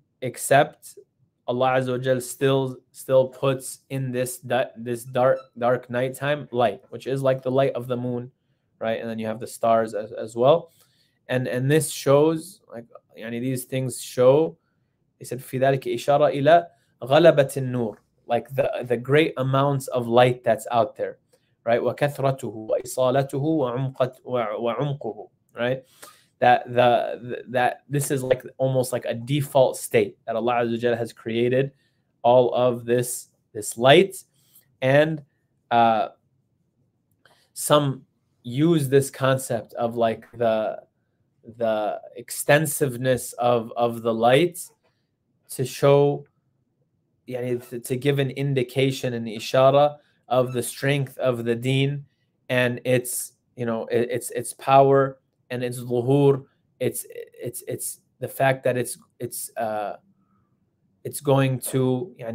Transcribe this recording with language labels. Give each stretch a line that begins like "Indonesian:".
English: Except Allah Azza wa Jal still puts in this dark nighttime light, which is like the light of the moon, right? And then you have the stars as well, and this shows, like, yani these things show. He said,
Arabic: "في ذلك إشارة إلى غلبة النور,"
English: like the great amounts of light that's out there, right?
Arabic: وكثرته وإصالته وعمقه, right?
English: That this is like almost like a default state that Allah Azza wa Jalla has created all of this light, and some use this concept of like the extensiveness of the light to show, yani, to give an indication, an ishara of the strength of the deen and its power and its zuhur, it's the fact that it's going to